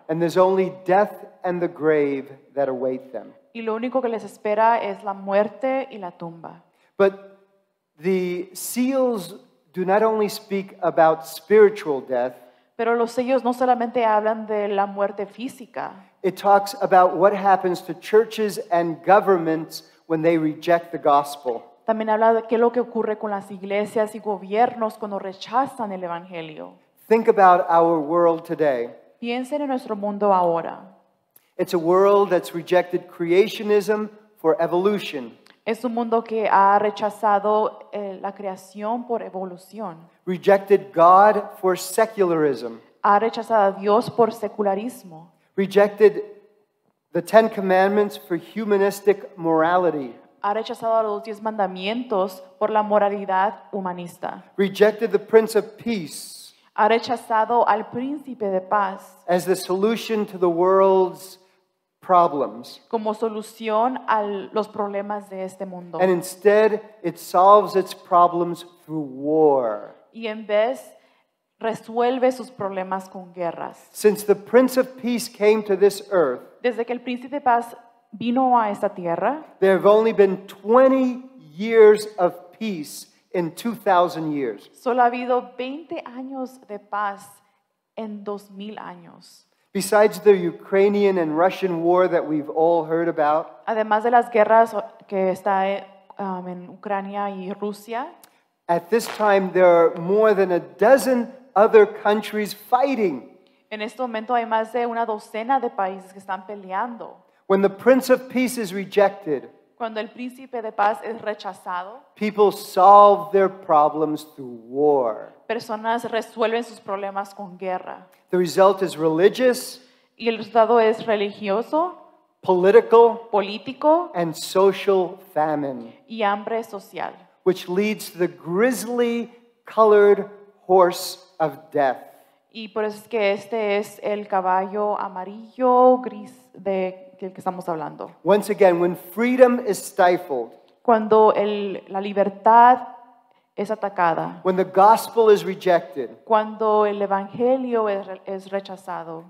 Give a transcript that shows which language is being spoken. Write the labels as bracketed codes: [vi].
[en] And there's only death and the grave that await them. [es] Y lo único que les espera es la muerte y la tumba. [en] But the seals do not only speak about spiritual death. [es] Pero los sellos no solamente hablan de la muerte física. [en] It talks about what happens to churches and governments when they reject the gospel. [es] También habla de qué es lo que ocurre con las iglesias y gobiernos cuando rechazan el evangelio. [en] Think about our world today. [es] Piensen en nuestro mundo ahora. [en] It's a world that's rejected creationism for evolution. [es] Es un mundo que ha rechazado la creación por evolución. [en] Rejected God for secularism. [es] Ha rechazado a Dios por secularismo. [en] Rejected the Ten Commandments for humanistic morality. [es] Ha rechazado a los 10 mandamientos por la moralidad humanista. [en] Rejected the Prince of Peace. [es] Ha rechazado al Príncipe de Paz. [en] As the solution to the world's problems. [es] Como solución a los problemas de este mundo. [en] And instead, it solves its problems through war. [es] Y en vez, resuelve sus problemas con guerras. [en] Since the Prince of Peace came to this earth, [es] desde que el Príncipe de Paz vino a esta tierra, [en] there have only been 20 years of peace in 2,000 years. [es] Solo ha habido 20 años de paz en 2,000 años. [en] Besides the Ukrainian and Russian war that we've all heard about, [es] además de las guerras que está en Ucrania y Rusia, [en] at this time there are more than a dozen other countries fighting. [es] En este momento hay más de una docena de países que están peleando. [en] When the Prince of Peace is rejected, [es] cuando el Príncipe de Paz es rechazado, [en] people solve their problems through war. [es] Personas resuelven sus problemas con guerra. [en] The result is religious, [es] y el resultado es religioso, [en] political, [es] político, [en] and social famine, [es] y hambre social, [en] which leads to the grisly colored horse of death. [es] Y por eso es que este es el caballo amarillo gris de del que estamos hablando. [en] Once again, when freedom is stifled, [es] cuando el, la libertad es atacada, [en] when the gospel is rejected, [es] cuando el evangelio es rechazado,